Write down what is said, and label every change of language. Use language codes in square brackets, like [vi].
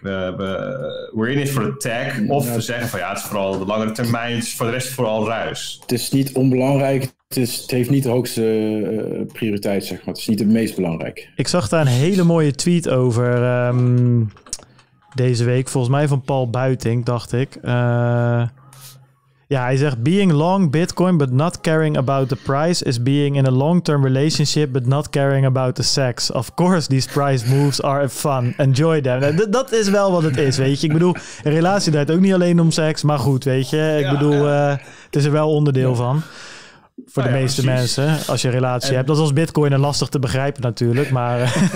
[en] We're in it for the tech. [nl] Of ja, we zeggen van ja, het is vooral de langere termijn. Het is voor de rest vooral ruis. Het is niet onbelangrijk. Het heeft niet de hoogste prioriteit, zeg maar. Het is niet het meest belangrijk. Ik zag daar een hele mooie tweet over... deze week, volgens mij van Paul Buiting, dacht ik. Hij zegt... [en] Being long Bitcoin but not caring about the price is being in a long-term relationship but not caring about the sex. Of course these price moves are fun. Enjoy them. [nl] Dat is wel wat het is, weet je. Ik bedoel, een relatie draait ook niet alleen om seks, maar goed, weet je. Ik bedoel, het is er wel onderdeel van. Voor de meeste mensen, als je een relatie hebt. Dat is als Bitcoin en lastig te begrijpen natuurlijk, maar...